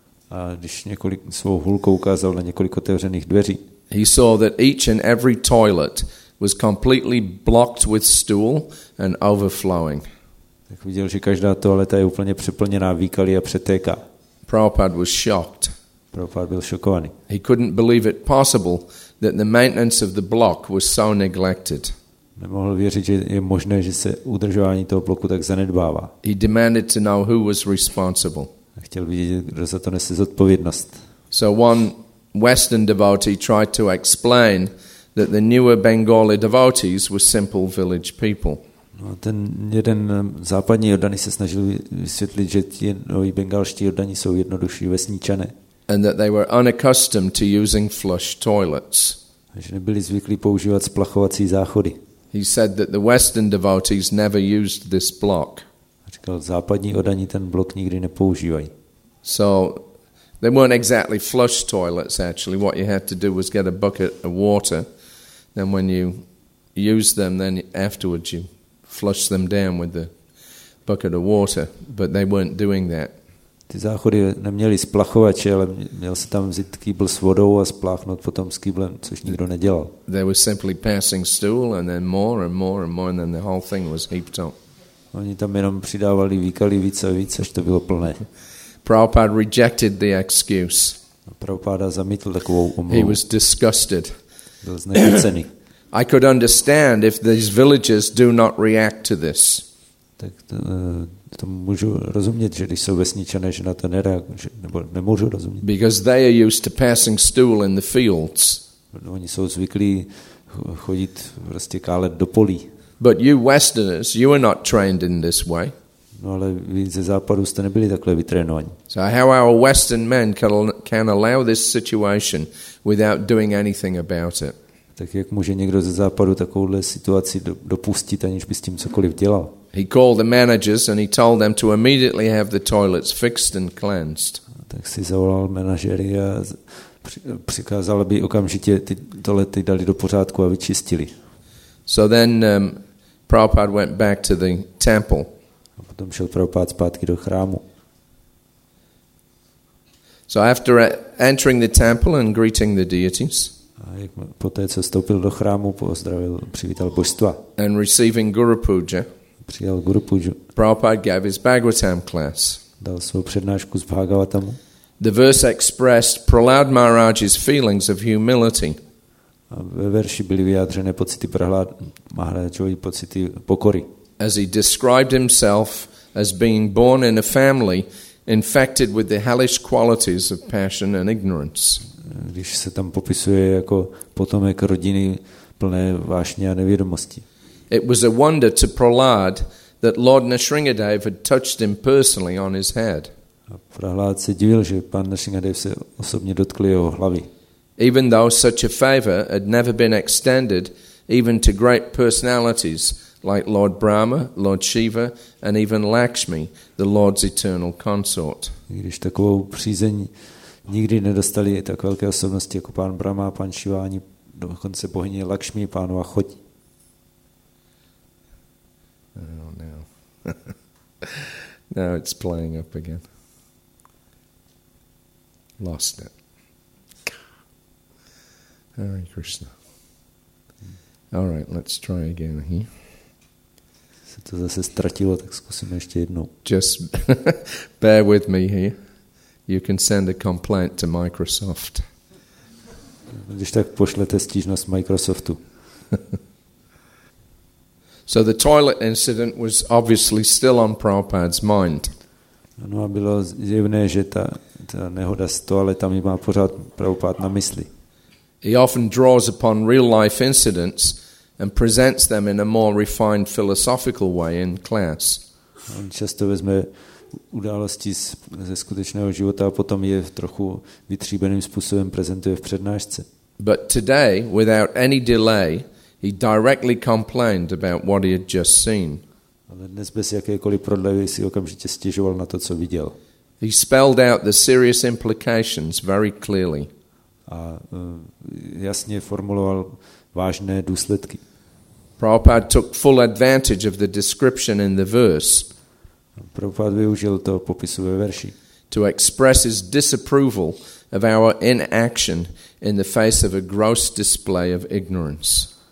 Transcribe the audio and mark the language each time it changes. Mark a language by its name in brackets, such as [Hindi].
[Czech] A když několik svou hulkou ukázal na několik otevřených dveří. [English] He saw that each and every toilet was completely blocked with stool and overflowing. [Czech] Tak viděl, že každá toaleta je úplně přeplněná výkaly a přetéká. [English] Prabhupada was shocked. [Czech] Prabhupada byl šokovaný. [English] He couldn't believe it possible that the maintenance of the block was so neglected. [Czech] Nemohl věřit, že je možné, že se udržování toho bloku tak zanedbává. [English] He demanded to know who was responsible. [Czech] Chtěl vidět, kdo za to nese zodpovědnost. [English] So one Western devotee tried to explain that the newer Bengali devotees were simple village people. [Czech] No, ten jeden západní oddaný se snažil vysvětlit, že ti noví bengalští oddaní jsou jednodušší vesničané. [English] And that they were unaccustomed to using flush toilets. [Czech] A že nebyli zvyklí používat splachovací záchody. [English] He said that the Western devotees never used this block. [Czech] A říkal, západní oddaní ten blok nikdy nepoužívají. [English] So they weren't exactly flush toilets actually. What you had to do was get a bucket of water, then when you use them, then afterwards you flush them down with the bucket of water, but they weren't doing that. [Czech] Ty záchody neměly splachovače, ale měl se tam vzít kýbl s vodou a spláchnout potom s kýblem, což nikdo nedělal. [English] They were simply passing stool and then more and more and more and then the whole thing was heaped up. [Czech] Oni tam jenom přidávali výkaly víc a víc, až to bylo plné. [English] Prabhupada rejected the excuse. [Czech] Prabhupada zamítl takovou omluvu. [English] He was disgusted. [Czech] Byl znechucený. [English] I could understand if these villagers do not react to this. [Czech] Tak to můžu rozumět, že když jsou vesničané, že na to nereagují, nebo nemůžu rozumět. [English] Because they are used to passing stool in the fields. [Czech] Oni jsou zvyklí chodit prostě kálet do polí. [English] But you Westerners, you are not trained in this way. [Czech] No ale vy ze západu jste nebyli takhle vytrénovaní. [English] So how our Western men can allow this situation without doing anything about it? [Czech] Tak jak může někdo ze západu takovouhle situaci dopustit, aniž by s tím cokoliv dělal? [English] He called the managers and he told them to immediately have the toilets fixed and cleansed. [Czech] Tak si zavolal manažery a přikázal, aby okamžitě ty toalety dali do pořádku a vyčistili. [English] So then Prabhupada went back to the temple. [Czech] A potom šel Prabhupada zpátky do chrámu. [English] So after entering the temple and greeting the deities, [Czech] poté, co vstoupil do chrámu, pozdravil, přivítal božstva. [English] And receiving Guru Puja, [Czech] přijal Guru Puja, [English] Prabhupada gave his Bhagavatam class. [Czech] Dal svou přednášku z Bhagavatamu. [English] The verse expressed Prahlad Maharaj's feelings of humility. [Czech] A ve verši byly vyjádřené pocity Prahlad Maharajovy pocity pokory. [English] As he described himself as being born in a family infected with the hellish qualities of passion and ignorance. [Czech] Když se tam popisuje jako potomek rodiny plné vášně a nevědomosti. [English] It was a wonder to Prahlad that Lord Nrsingadev had touched him personally on his head. [Czech] A Prahlad se divil, že pan Nrsingadev se osobně dotkl jeho hlavy. [English] Even though such a favor had never been extended even to great personalities like Lord Brahma, Lord Shiva and even Lakshmi, the Lord's eternal consort. [Czech] Když takovou přízeň nikdy nedostali tak velké osobnosti jako pán Brahma, pán Shiva, ani dokonce bohyně Lakshmi, pánu Achoti. [English] Oh, no. Now it's playing up again. Lost it. Hare Krishna. All right, let's try again here. [Czech] Se to zase ztratilo, tak zkusíme ještě jednou. [English] Just bear with me here. You can send a complaint to Microsoft. [Czech] Když tak pošlete stížnost Microsoftu. [English] So the toilet incident was obviously still on Prabhupada's mind. [Czech] No, a bylo zjevné, že ta nehoda s toaletou mi má pořád Prabhupada na mysli. [English] He often draws upon real life incidents and presents them in a more refined philosophical way in class. [Czech] On často vezme události ze skutečného života a potom je v trochu vytříbeným způsobem prezentuje v přednášce. [English] But today, without any delay, he directly complained about what he had just seen. [Czech] Ale dnes bez jakékoliv prodlevy si okamžitě stěžoval na to, co viděl. [English] He spelled out the serious implications very clearly. [Czech] A jasně formuloval vážné důsledky. [English] Prabhupada took full advantage of the description in the verse. [Czech] Prabhupada využil to popisu ve verši. [English] To express his disapproval of our inaction in the face of a gross display of ignorance.